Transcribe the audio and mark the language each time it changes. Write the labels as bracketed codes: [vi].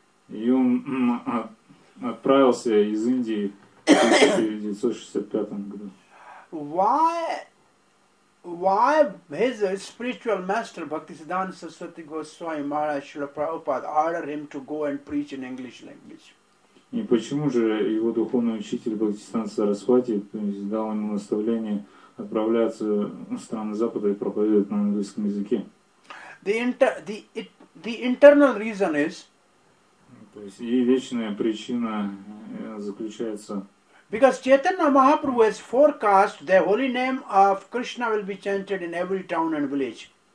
[ru] И он отправился из Индии в 1965 году. [en] Why his spiritual master Bhaktisiddhanta Saraswati Goswami Maharaj Srila Prabhupada ordered him to go and preach in English language? [ru] И почему же его духовный учитель Бхактисиддханта Сарасвати дал ему наставление отправляться в страны Запада и проповедовать на английском языке? [en] The internal reason is. [ru] То есть и вечная причина заключается. [en] Because Chaitanya Mahaprabhu has forecast the holy name of Krishna will be chanted in every town and village.